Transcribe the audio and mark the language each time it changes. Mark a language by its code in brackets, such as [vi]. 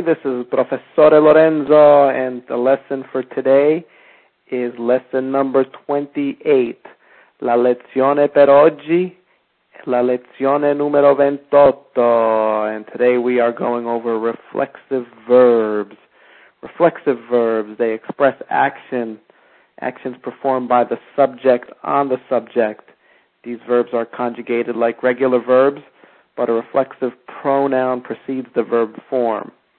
[en] This is Professore Lorenzo, and the lesson for today is lesson number 28. [it] La lezione per oggi, la lezione numero 28. [en] And today we are going over reflexive verbs. Reflexive verbs, they express action, actions performed by the subject on the subject. These verbs are conjugated like regular verbs, but a reflexive pronoun precedes the verb form.